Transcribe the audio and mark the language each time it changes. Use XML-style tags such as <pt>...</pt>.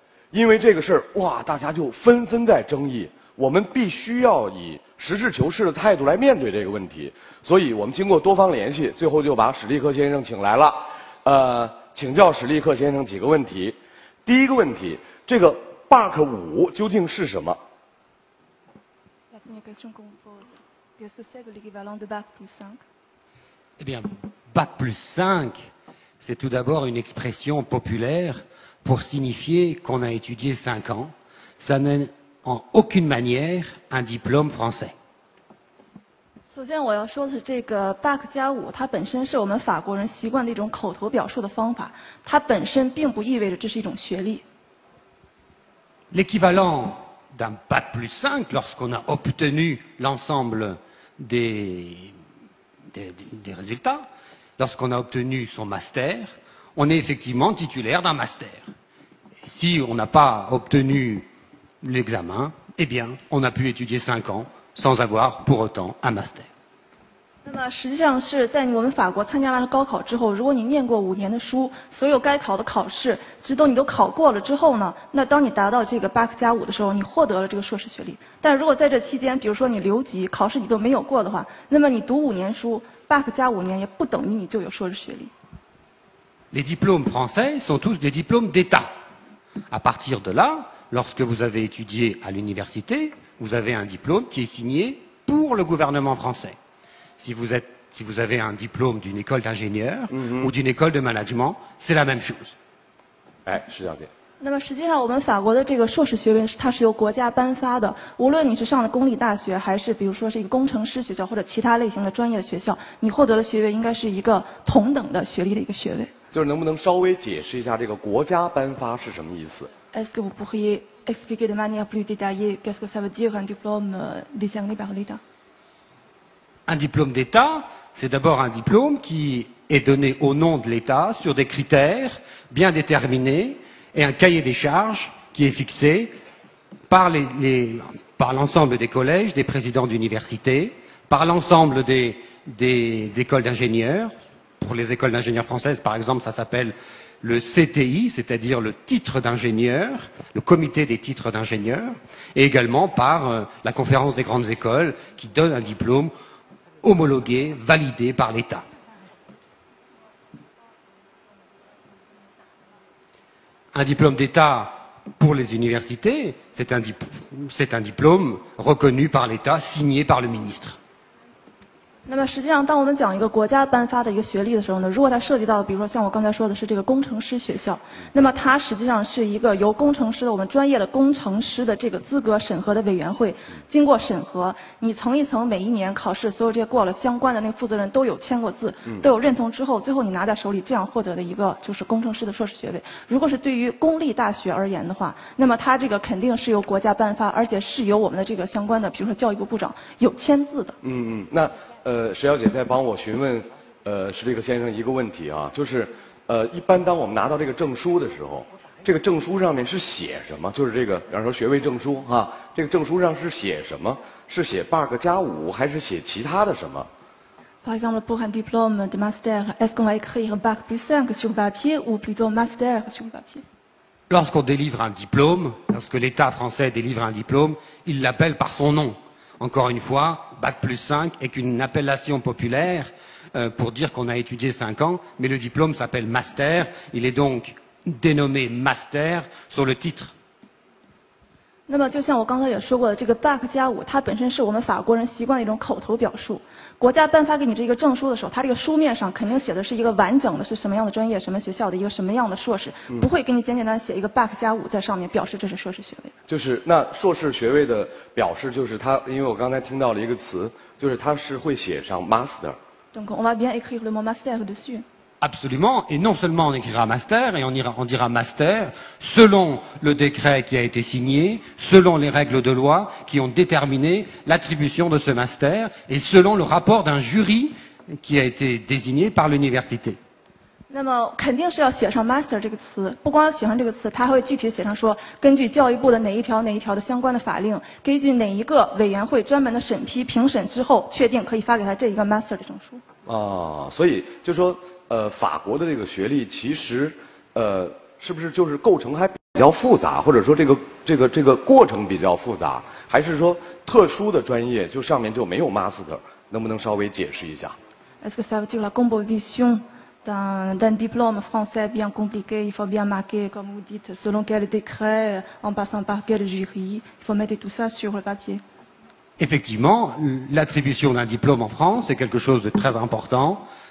<zh>因为这个事儿，哇，大家就纷纷在争议。我们必须要以实事求是的态度来面对这个问题。所以我们经过多方联系，最后就把史立克先生请来了。请教史立克先生几个问题。第一个问题，这个 bug 五究竟是什么？</zh> <fr>Une question qu'on vous pose. Qu'est-ce que c'est que l'équivalent de Bac plus 5 ? Eh bien, Bac plus 5, c'est tout d'abord une expression populaire pour signifier qu'on a étudié 5 ans. Ça n'est en aucune manière un diplôme français.</fr> <zh>首先我要说的是这个 Bac 加5，它本身是我们法国人习惯的一种口头表述的方法，它本身并不意味着这是一种学历。</zh> <fr>L'équivalent d'un bac plus 5 lorsqu'on a obtenu l'ensemble des résultats, lorsqu'on a obtenu son master, on est effectivement titulaire d'un master. Et si on n'a pas obtenu l'examen, eh bien, on a pu étudier 5 ans sans avoir pour autant un master.</fr> <zh>那么实际上是在我们法国参加完了高考之后，如果你念过五年的书，所有该考的考试其实都你都考过了之后呢，那当你达到这个 Bac 加5的时候，你获得了这个硕士学历。但如果在这期间，比如说你留级考试你都没有过的话，那么你读五年书 Bac 加五年也不等于你就有硕士学历。</zh> <fr>Les diplômes français sont tous des diplômes d'état. À partir de là, lorsque vous avez étudié à l'université, vous avez un diplôme qui est signé pour le gouvernement françaisSi vous avez un diplôme d'une école d'ingénieur ou d'une école de management, c'est la même chose.</fr> <zh>哎，石小姐。那么实际上，我们法国的这个硕士学位，它是由国家颁发的。无论你是上了公立大学，还是比如说是一个工程师学校或者其他类型的专业的学校，你获得的学位应该是一个同等的学历的一个学位。就是能不能稍微解释一下这个国家颁发是什么意思</zh> <fr>？Est-ce que vous pourriez expliquer de manière plus détaillée qu'est-ce que ça veut dire un diplôme décerné par l'État？ Un diplôme d'État, c'est d'abord un diplôme qui est donné au nom de l'État sur des critères bien déterminés et un cahier des charges qui est fixé par l'ensemble des collèges, des présidents d'université, par l'ensemble des écoles d'ingénieurs. Pour les écoles d'ingénieurs françaises, par exemple, ça s'appelle le CTI, c'est-à-dire le titre d'ingénieur, le comité des titres d'ingénieurs, et également par la conférence des grandes écoles qui donne un diplômehomologué, validé par l'État. Un diplôme d'État pour les universités, c'est un diplôme reconnu par l'État, signé par le ministre.</fr> <zh>那么实际上当我们讲一个国家颁发的一个学历的时候呢，如果它涉及到比如说像我刚才说的是这个工程师学校，那么它实际上是一个由工程师的我们专业的工程师的这个资格审核的委员会经过审核，你层一层每一年考试所有这些过了相关的那个负责人都有签过字，都有认同之后，最后你拿在手里这样获得的一个就是工程师的硕士学位。如果是对于公立大学而言的话，那么它这个肯定是由国家颁发，而且是由我们的这个相关的比如说教育部部长有签字的。那石小姐在帮我询问史立克先生一个问题啊，就是一般当我们拿到这个证书的时候，这个证书上面是写什么？就是这个比方说学位证书啊，这个证书上是写什么？是写 bug 加五还是写其他的什么</zh> <fr>？Par exemple, pour un diplôme de master, est-ce qu'on va écrire bug plus 5 sur papier ou plutôt master sur papier? Lorsqu'on délivre un diplôme, lorsque l'État français délivre un diplôme, il l'appelle par son nom. Encore une fois, Bac plus 5 est une appellation populaire pour dire qu'on a étudié 5 ans, mais le diplôme s'appelle Master. Il est donc dénommé Master sur le titre.</fr> <zh>那么就像我刚才也说过的，这个 back 加五它本身是我们法国人习惯的一种口头表述。国家颁发给你这个证书的时候，它这个书面上肯定写的是一个完整的，是什么样的专业，什么学校的一个什么样的硕士，不会给你简简单写一个 back 加五在上面表示这是硕士学位。就是那硕士学位的表示，就是它，因为我刚才听到了一个词，就是它是会写上 master。</zh> <fr>Donc on va bien écrire le mot master dessus. Absolument, et non seulement on écrira master, et on dira master selon le décret qui a été signé, selon les règles de loi qui ont déterminé l'attribution de ce master, et selon le rapport d'un jury qui a été désigné par l'université.</fr> <zh>那么肯定是要写上 master 这个词，不光写上这个词，他会具体写上说，根据教育部的哪一条哪一条的相关的法令，根据哪一个委员会专门的审批评审之后，确定可以发给他这一个 master 的证书。啊，所以就说。法国的这个学历其实是不是就是构成还比较复杂，或者说这个过程比较复杂，还是说特殊的专业就上面就没有 master， 能不能稍微解释一下？</zh> <fr>Est-ce que ça veut dire la composition d'un diplôme français bien compliqué, il faut bien marquer comme vous dites selon quel décret en passant par quel jury, il faut mettre tout ça sur le papier. Effectivement, l'attribution d'un diplôme en France est quelque chose de très important.</fr>